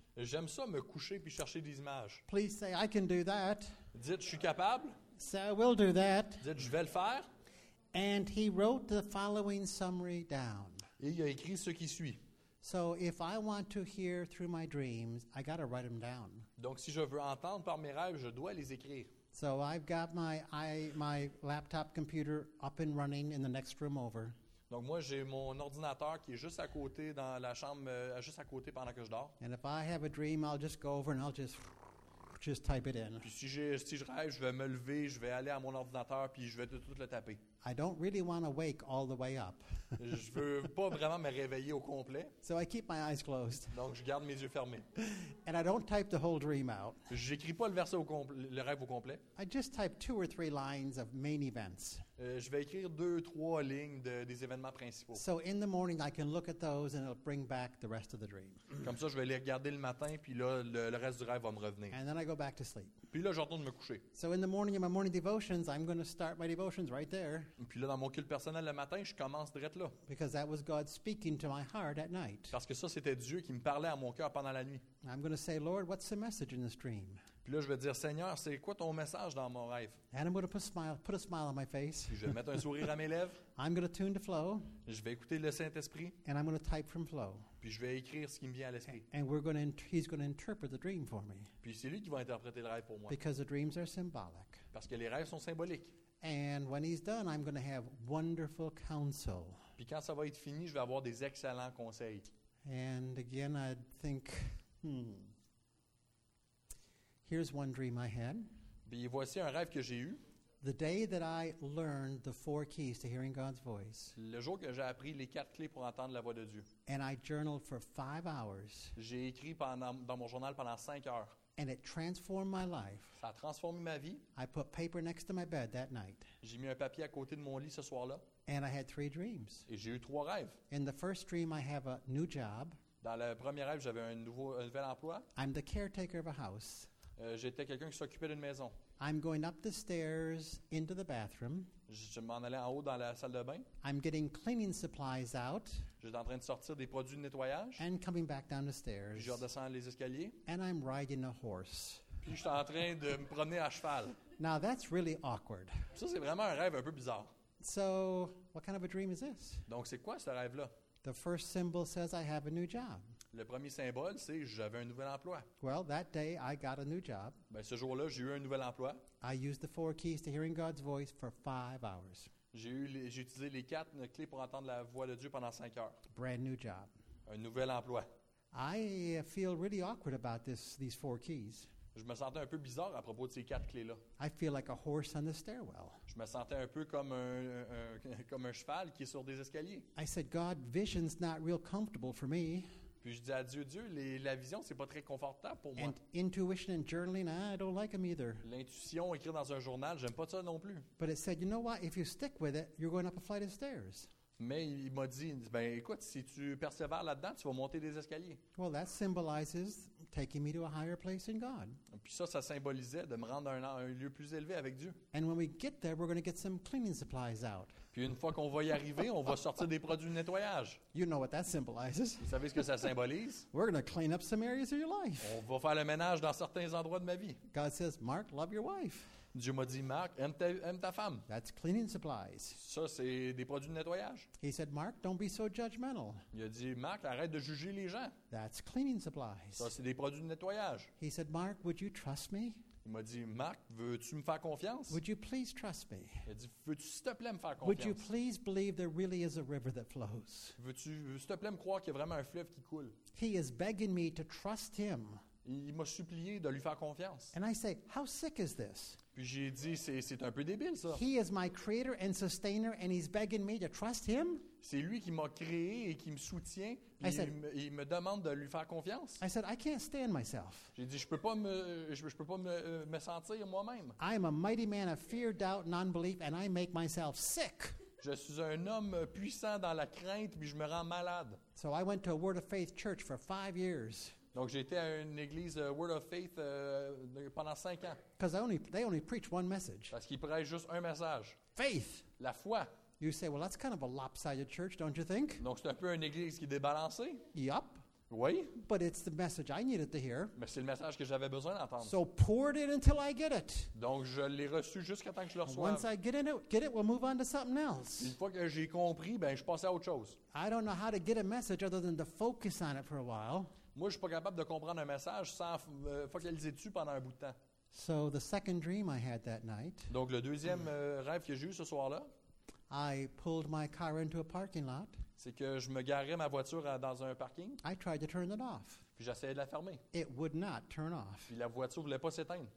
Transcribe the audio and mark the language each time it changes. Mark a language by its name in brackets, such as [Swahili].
[French] J'aime ça me coucher puis chercher des images. [English] Please say I can do that. [French] Dites je suis capable. [English] Say I will do that. [French] Dites je vais le faire. [English] And he wrote the following summary down. [French] Et il a écrit ce qui suit. [English] So if I want to hear through my dreams, I got to write them down. [French] Donc si je veux entendre par mes rêves, je dois les écrire. [English] So I've got my laptop computer up and running in the next room over. [French] Donc moi j'ai mon ordinateur qui est juste à côté dans la chambre juste à côté pendant que je dors. [English] And if I have a dream, I'll just go over and I'll just type it in. [French] Puis si je rêve, je vais me lever, je vais aller à mon ordinateur puis je vais tout le taper. [English] I don't really want to wake all the way up. [French] Je veux pas vraiment me réveiller au complet. [English] So I keep my eyes closed. [French] Donc je garde mes yeux fermés. [English] And I don't type the whole dream out. [French] J'écris pas le rêve au complet. [English] I just type two or three lines of main events. [French] Je vais écrire deux trois lignes des événements principaux. [English] So in the morning I can look at those and it'll bring back the rest of the dream. [French] Comme ça je vais les regarder le matin puis là le reste du rêve va me revenir. [English] And then I go back to sleep. [French] Puis là je retourne me coucher. [English] So in the morning in my morning devotions I'm going to start my devotions right there. [French] Puis là dans mon culte personnel le matin je commence direct là. [English] Because that was God speaking to my heart at night. [French] Parce que ça c'était Dieu qui me parlait à mon cœur pendant la nuit. [English] I'm going to say Lord what's the message in this dream? [French] Puis là, je vais dire, Seigneur, c'est quoi ton message dans mon rêve? [English] Adam would have put a smile on my face. [French] Puis je vais mettre un sourire à mes lèvres. [English] I'm going to tune to flow. [French] Je vais écouter le Saint-Esprit. [English] And I'm going to type from flow. [French] Puis je vais écrire ce qui me vient à l'esprit. [English] And we're going to he's going to interpret the dream for me. [French] Puis c'est lui qui va interpréter le rêve pour moi. [English] Because the dreams are symbolic. [French] Parce que les rêves sont symboliques. [English] And when he's done, I'm going to have wonderful counsel. [French] Puis quand ça va être fini, je vais avoir des excellents conseils. [English] And again, I think, here's one dream I had. [French] Puis voici un rêve que j'ai eu. [English] The day that I learned the four keys to hearing God's voice. [French] Le jour que j'ai appris les quatre clés pour entendre la voix de Dieu. [English] And I journaled for 5 hours. [French] J'ai écrit dans mon journal pendant 5 heures. [English] And it transformed my life. [French] Ça a transformé ma vie. [English] I put paper next to my bed that night. [French] J'ai mis un papier à côté de mon lit ce soir-là. [English] And I had 3 dreams. [French] Et j'ai eu 3 rêves. [English] In the first dream, I have a new job. [French] Dans le premier rêve, j'avais un nouvel emploi. [English] I'm the caretaker of a house. [French] J'étais quelqu'un qui s'occupait d'une maison. [English] I'm going up the stairs into the bathroom. [French] Je m'en allais en haut dans la salle de bain. [English] I'm getting cleaning supplies out. [French] J'étais en train de sortir des produits de nettoyage. [English] And coming back down the stairs. [French] Je redescends les escaliers. [English] And I'm riding a horse. [French] Puis j'étais en train de me promener à cheval. [English] Now that's really awkward. [French] Ça, c'est vraiment un rêve un peu bizarre. [English] So, what kind of a dream is this? [French] Donc, c'est quoi ce rêve-là? [English] The first symbol says I have a new job. [French] Le premier symbole, c'est j'avais un nouvel emploi. [English] Well, that day I got a new job. [French] Ben, ce jour-là, j'ai eu un nouvel emploi. [English] I used the four keys to hearing God's voice for 5 hours. [French] J'ai utilisé les 4 clés pour entendre la voix de Dieu pendant 5 heures. [English] Brand new job. [French] Un nouvel emploi. [English] I feel really awkward about these 4 keys. [French] Je me sentais un peu bizarre à propos de ces 4 clés-là. [English] I feel like a horse on the stairwell. [French] Je me sentais un peu comme un cheval qui est sur des escaliers. [English] I said, God, vision's not real comfortable for me. [French] Puis je dis à Dieu, la vision, c'est pas très confortable pour moi. [English] And intuition and journaling, I don't like them either. [French] L'intuition, écrire dans un journal, j'aime pas ça non plus. [English] But it said, you know what, if you stick with it, you're going up a flight of stairs. [French] Mais il m'a dit, ben écoute, si tu persévères là-dedans, tu vas monter des escaliers. [English] Well, that symbolizes taking me to a higher place in God. [French] Puis ça symbolisait de me rendre à un lieu plus élevé avec Dieu. [English] And when we get there, we're going to get some cleaning supplies out. [French] Puis une fois qu'on va y arriver, on va sortir des produits de nettoyage. [English] You know what that symbolizes. [French] Vous savez ce que ça symbolise? [English] We're going to clean up some areas of your life. [French] On va faire le ménage dans certains endroits de ma vie. [English] God says, Mark, love your wife. [French] Dieu m'a dit, Marc, aime ta femme. [English] That's cleaning supplies. [French] Ça, c'est des produits de nettoyage. [English] He said, Mark, don't be so judgmental. [French] Il a dit, Marc, arrête de juger les gens. [English] That's cleaning supplies. [French] Ça, c'est des produits de nettoyage. [English] He said, Mark, would you trust me? [French] Il m'a dit, Marc, veux-tu me faire confiance? [English] Would you please trust me? [French] Il a dit, veux-tu s'il te plaît me faire confiance? [English] Would you please believe there really is a river that flows? [French] Veux-tu s'il te plaît me croire qu'il y a vraiment un fleuve qui coule? [English] He is begging me to trust him. [French] Il m'a supplié de lui faire confiance. [English] And I say, how sick is this? [French] Puis j'ai dit, c'est un peu débile, ça. [English] He is my creator and sustainer, and he's begging me to trust him? [French] C'est lui qui m'a créé et qui me soutient, puis il me demande de lui faire confiance. [English] I said, I can't stand myself. [French] J'ai dit, je peux pas me sentir moi-même. [English] I am a mighty man of fear, doubt, non-belief, and I make myself sick. [French] Je suis un homme puissant dans la crainte, puis je me rends malade. [English] So I went to a Word of Faith church for 5 years. [French] Donc j'étais à une église Word of Faith pendant 5 ans. [English] Because they only preach one message. [French] Parce qu'ils prêchent juste un message. [English] Faith. [French] La foi. [English] You say, well, that's kind of a lopsided church, don't you think? [French] Donc c'est un peu une église qui est débalancée. [English] Yup. [French] Oui. [English] But it's the message I needed to hear. [French] Mais c'est le message que j'avais besoin d'entendre. [English] So poured it until I get it. [French] Donc je l'ai reçu jusqu'à temps que je le reçoive. [English] Once I get it, we'll move on to something else. [French] Une fois que j'ai compris, ben je passe à autre chose. [English] I don't know how to get a message other than to focus on it for a while. [French] Moi, je suis pas capable de comprendre un message sans focaliser dessus pendant un bout de temps. [English] So the second dream I had that night. [French] Donc le deuxième rêve que j'ai eu ce soir-là. [English] I pulled my car into a parking lot. [French] C'est que je me garais ma voiture dans un parking. [English] I tried to turn it off. [French] Puis j'essayais de la fermer. [English] It would not turn off. [French] Puis la voiture ne voulait pas s'éteindre.